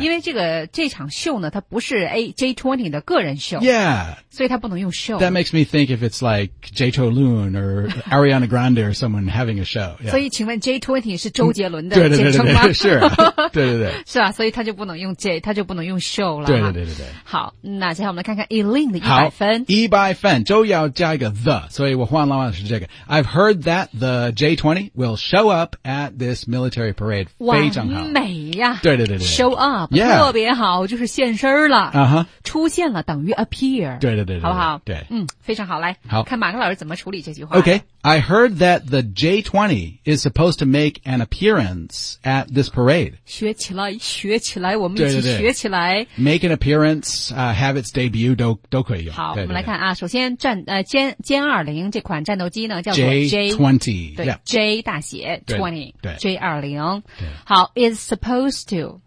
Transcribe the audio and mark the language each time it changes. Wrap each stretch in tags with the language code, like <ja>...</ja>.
<zh>因为这场秀呢它不是 J-20 的个人秀</zh> <en>yeah.</en> <zh>所以它不能用 show</zh> <en>That makes me think if it's like Jay Cholun or Ariana Grande or someone having a show、yeah.</en> <zh>所以请问 J-20 是周杰伦的简称吗对对对对 sure 对对对是吧所以它就不能用 J 它就不能用 show 了对对对 对, 对好那接下来我们来看看 Eileen 的100分好100分周要加一个</zh> <en>the</en> <zh>所以我换了是这个</zh> <en>I've heard that the J-20 will show up at this military parade</en> <zh>非常好完美呀、啊、对对对对</zh> <en>show up、 yeah.</en> <zh>特别好就是现身了、</zh> <en>uh-huh.</en> <zh>出现了等于 appear 对对 对, 对好不好对非常好来好看马克老师怎么处理这句话</zh> <en>OK I heard that the J-20 is supposed to make an appearance at this parade</en> <zh>学起来学起来我们一起对对对学起来 make an appearance have its debut 都可以用好对对对我们来看啊首先歼20这款战斗机呢叫做</zh> <en>J-20</en> <zh>对、</zh> <en>yeah.</en> <zh>J 大写 20 对对</zh> <en>J-20</en> <zh>对</zh> <en>好 is supposed to、</en>